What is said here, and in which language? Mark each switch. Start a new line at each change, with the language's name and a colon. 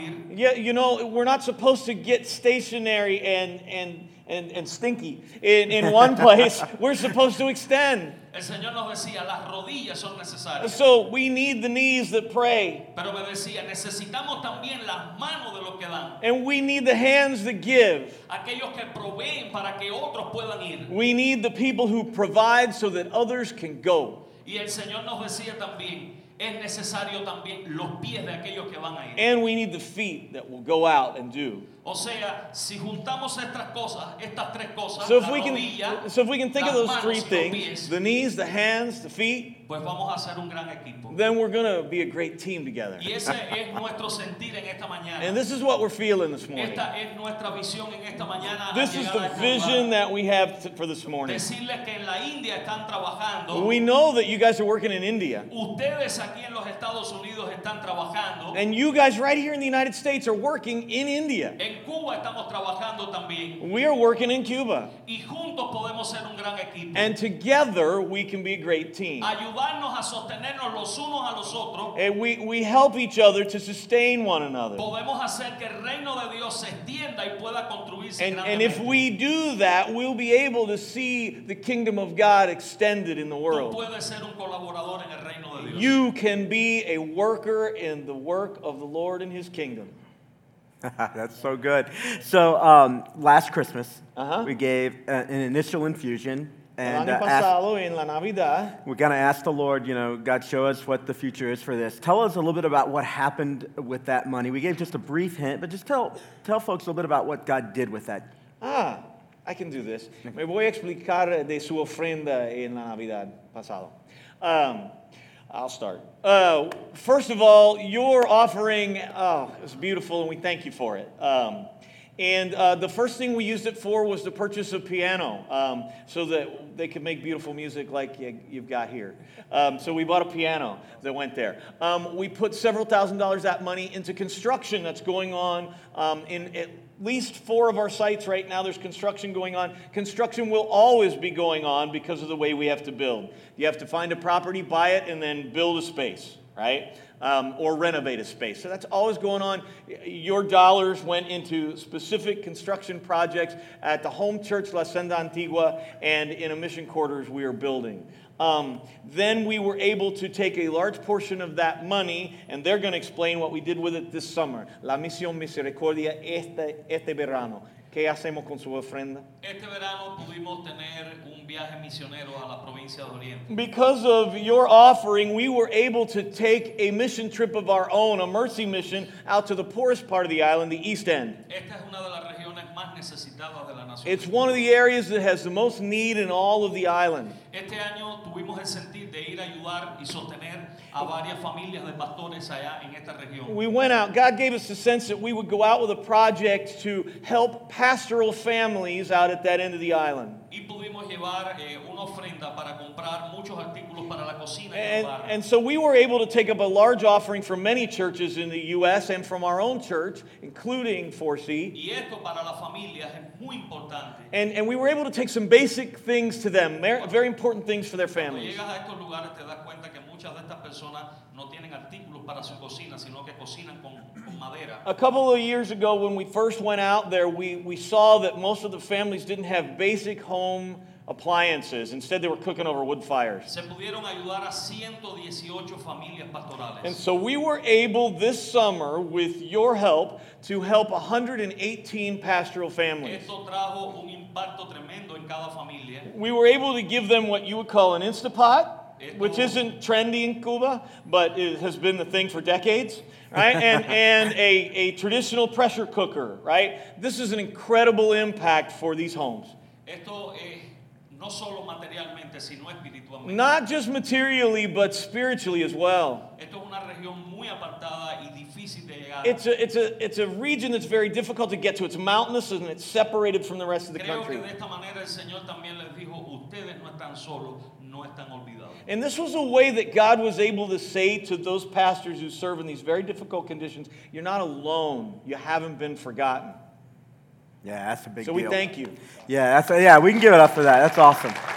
English: Yeah, you know, we're not supposed to get stationary and stinky in one place. We're supposed to extend.
Spanish: El Señor nos decía, las rodillas son necesarias.
English: So we need the knees that pray.
Spanish: Pero me decía, necesitamos también las manos de los que dan.
English: And we need the hands that give.
Spanish: Aquellos que proveen para que otros puedan ir.
English: We need the people who provide so that others can go.
Spanish: Y el Señor nos decía también, es necesario también los pies de aquellos que van a ir.
English: And we need the feet that will go out and do.
Spanish: O sea, si juntamos estas tres cosas,
English: so if we can think of those three things,
Spanish: pies,
English: the knees, the hands, the feet,
Spanish: pues vamos a hacer un gran equipo.
English: Then we're going to be a great team together.
Spanish: Y ese es nuestro sentir en esta mañana.
English: And this is what we're feeling this morning.
Spanish: Esta es nuestra visión en esta mañana.
English: This is the vision that we have for this morning.
Spanish: Decirles que en la India están trabajando.
English: We know that you guys are working in India.
Spanish: Ustedes aquí en los Estados Unidos están trabajando.
English: And you guys right here in the United States are working in India.
Spanish: En Cuba estamos trabajando también.
English: We are working in Cuba.
Spanish: Y juntos podemos ser un gran equipo.
English: And together we can be a great team.
Spanish: Ayudarnos a sostenernos los unos a los otros.
English: And we help each other to sustain one another.
Spanish: Podemos hacer que el reino de Dios se extienda y pueda construirse grandemente.
English: And if we do that, we'll be able to see the kingdom of God extended in the world.
Spanish: Tú puedes ser un colaborador en el reino de Dios.
English: You can be a worker in the work of the Lord in his kingdom. That's so good. So last Christmas, we gave an initial infusion. And we're going to ask the Lord, you know, God, show us what the future is for this. Tell us a little bit about what happened with that money. We gave just a brief hint, but just tell folks a little bit about what God did with that. Ah, I can do this.
Spanish: Me voy a explicar de su ofrenda en la Navidad pasado.
English: I'll start. First of all, your offering, it was beautiful, and we thank you for it. The first thing we used it for was the purchase of piano, so that they could make beautiful music like you've got here. So we bought a piano that went there. We put several $1,000s that money into construction that's going on in at least four of our sites right now. There's construction going on. Construction will always be going on because of the way we have to build. You have to find a property, buy it, and then build a space, right? Or renovate a space. So that's always going on. Your dollars went into specific construction projects at the home church, La Senda Antigua, and in a mission quarters we are building. Then we were able to take a large portion of that money, and they're going to explain what we did with it this summer.
Spanish: La Misión Misericordia este verano. ¿Qué hacemos con su ofrenda? Este verano pudimos tener un viaje misionero a la provincia de Oriente.
English: Because of your offering, we were able to take a mission trip of our own, a mercy mission, out to the poorest part of the island, the East End.
Spanish: Esta es una de las regiones más necesitadas de la nación.
English: It's one of the areas that has the most need in all of the island.
Spanish: Este año tuvimos el sentir de ir a ayudar y sostener a varias familias de pastores allá en esta región.
English: We went out. God gave us the sense that we would go out with a project to help pastoral families out at that end of the island.
Spanish: Y pudimos llevar una ofrenda para comprar muchos artículos para la cocina.
English: And so we were able to take up a large offering from many churches in the U.S. and from our own church, including 4C.
Spanish: Y esto para las familias es muy importante.
English: And we were able to take some basic things to them, very important things for their families.
Spanish: Cuando llegas a estos lugares te das cuenta que muchas de estas personas no tienen artículos para su cocina, sino que cocinan con madera.
English: A couple of years ago when we first went out there, we saw that most of the families didn't have basic home appliances. Instead, they were cooking over wood fires.
Spanish: Se pudieron ayudar a 118 familias pastorales.
English: And so we were able this summer, with your help, to help 118 pastoral families. Esto trajo un impacto tremendo en cada familia. We were able to give them what you would call an Instapot. which isn't trendy in Cuba, but it has been the thing for decades, right? And a traditional pressure cooker, right? This is an incredible impact for these homes.
Spanish: Esto es no solo materialmente, sino espiritualmente.
English: Not just materially, but spiritually as well.
Spanish: Esto es una región muy apartada y difícil de llegar.
English: It's a region that's very difficult to get to. It's mountainous and it's separated from the rest of the country.
Spanish: Creo que de esta manera el Señor también les dijo, ustedes no están solos.
English: And this was a way that God was able to say to those pastors who serve in these very difficult conditions, you're not alone. You haven't been forgotten. Yeah, that's a big deal. So we thank you. Yeah, we can give it up for that. That's awesome.